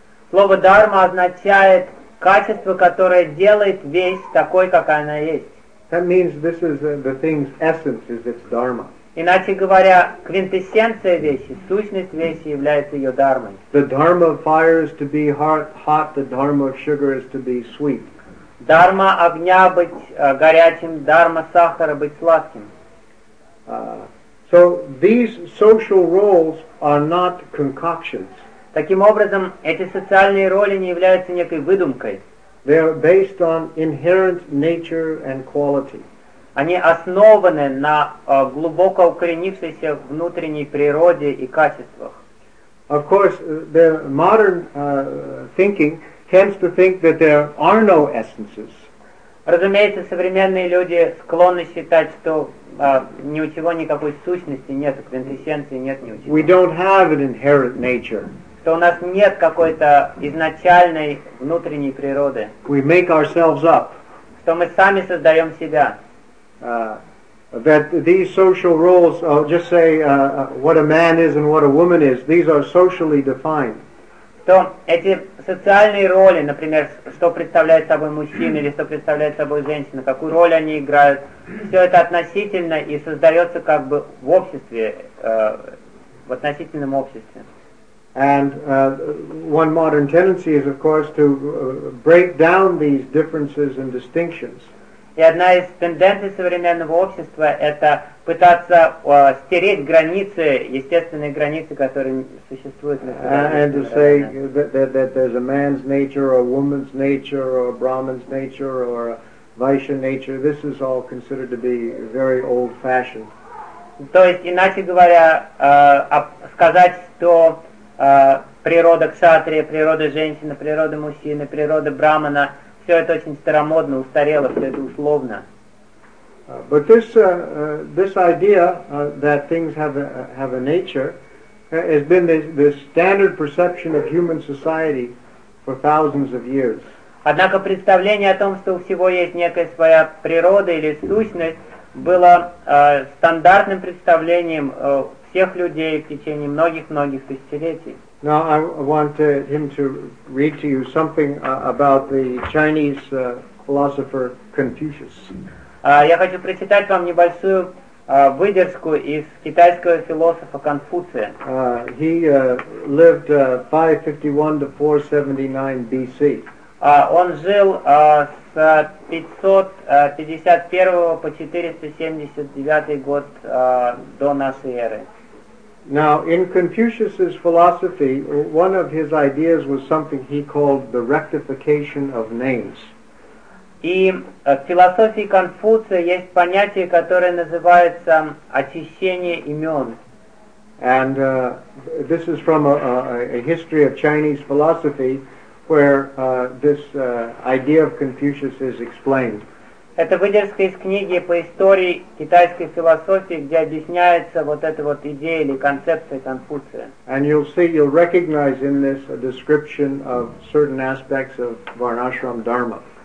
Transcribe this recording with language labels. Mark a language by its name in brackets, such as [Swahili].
[Russian] Слово дхарма означает качество, которое делает вещь такой, какая она есть. [English] That means this is the thing's essence is its dharma. [Russian] Иначе говоря, квинтэссенция вещи, сущность вещи является ее дхармой. [English] The dharma of fire is to be hot, the dharma of sugar is to be sweet. [Russian] Дхарма огня быть горячим, дхарма сахара быть сладким. [English] So these social roles are not concoctions. [Russian] Таким образом, эти социальные роли не являются некой выдумкой. [English] They are based on inherent nature and quality. [Russian] Они основаны на глубоко укоренившейся внутренней природе и качествах. [English] Of course, the modern thinking tends to think that there are no essences. [Russian] Разумеется, современные люди склонны считать, что ничего, никакой сущности нет, квинтэссенции нет, ничего. [English] We don't have an inherent nature. [Russian] Что у нас нет какой-то изначальной внутренней природы. [English] We make ourselves up. [Russian] Что мы сами создаем себя. [English] That these social roles, I'll just say what a man is and what a woman is, these are socially defined. [Russian] То эти социальные роли, например, что представляет собой мужчина или что представляет собой женщина, какую роль они играют, все это относительно и создается как бы в обществе, в относительном обществе. [English] And one modern tendency is, of course, to break down these differences and distinctions. [Russian] И одна из тенденций современного общества – это пытаться стереть границы, естественные границы, которые существуют. [English] And to say that there's a man's nature, or a woman's nature, or a Brahmin's nature, or a Vaishya nature, this is all considered to be very old-fashioned. [Russian] То есть, иначе говоря, сказать, что природа кшатрия, природа женщины, природа мужчины, природа брамана – все это очень старомодно, устарело, все это условно. [English] But this this idea that things have a nature has been the standard perception of human society for thousands of years. [Russian] Однако представление о том, что у всего есть некая своя природа или сущность, было стандартным представлением всех людей в течение многих-многих тысячелетий. [English] Now I want him to read to you something about the Chinese philosopher Confucius. [Russian] Я хочу прочитать вам небольшую выдержку из китайского философа Конфуция. [English] He lived 551 to 479 BC. [Russian] Он жил с 551 по 479 год до нашей эры. [English] Now, in Confucius's philosophy, one of his ideas was something he called the rectification of names. [Russian] И в философии Конфуция есть понятие, которое называется очищение имен. [English] And this is from a history of Chinese philosophy where this idea of Confucius is explained. [Russian] Это выдержка из книги по истории китайской философии, где объясняется вот эта вот идея или концепция Конфуция. [English] And you'll see, you'll recognize in this a description of certain aspects of Varnashram Dharma.